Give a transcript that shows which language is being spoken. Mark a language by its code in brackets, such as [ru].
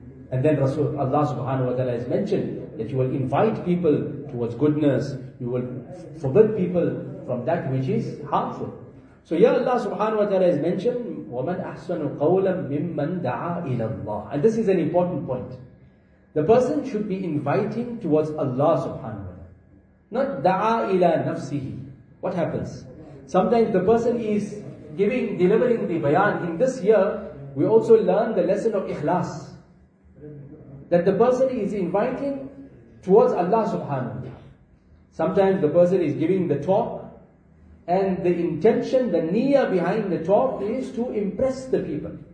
[en] And then Rasul Allah subhanahu wa ta'ala has mentioned that you will invite people towards goodness, you will forbid people from that which is harmful. So ya Allah subhanahu wa ta'ala has mentioned, [ar] وَمَنْ أَحْسَنُ قَوْلًا مِمَّنْ دَعَى إِلَى اللَّهِ. [en] And this is an important point. The person should be inviting towards Allah subhanahu wa ta'ala. Not [ar] دَعَى إِلَى نَفْسِهِ. [en] What happens? Sometimes the person is delivering the bayan. In this year, we also learn the lesson of ikhlas. That the person is inviting towards Allah subhanahu wa ta'ala. Sometimes the person is giving the talk, and the intention, the niyyah behind the talk is to impress the people.